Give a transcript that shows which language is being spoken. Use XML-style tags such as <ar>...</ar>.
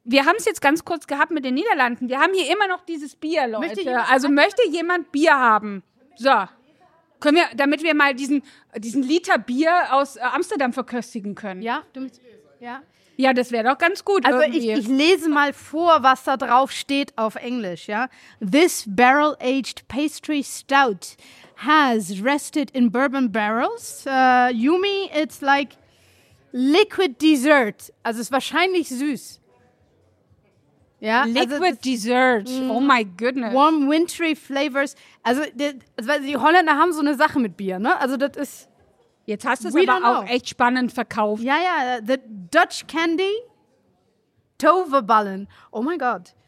<de>Wir haben es jetzt ganz kurz gehabt mit den Niederlanden. Wir haben hier immer noch dieses Bier, Leute. Möchte jemand Bier haben? So. Können wir, damit wir mal diesen Liter Bier aus Amsterdam verköstigen können? Ja? Ja, das wäre doch ganz gut. Also ich lese mal vor, was da drauf steht auf Englisch, ja.</de> <en>This barrel-aged pastry stout has rested in bourbon barrels. Yumi, it's like liquid dessert.</en> <de>Also es ist wahrscheinlich süß.</de> <en>Ja. Liquid dessert. Oh my goodness. Warm wintry flavors.</en> <de>Also die Holländer haben so eine Sache mit Bier, ne? Also das ist... Jetzt hast du es aber auch echt spannend verkauft. Ja,</de> <en>the Dutch candy,</en> <de>Toverballen. Oh mein Gott.</de>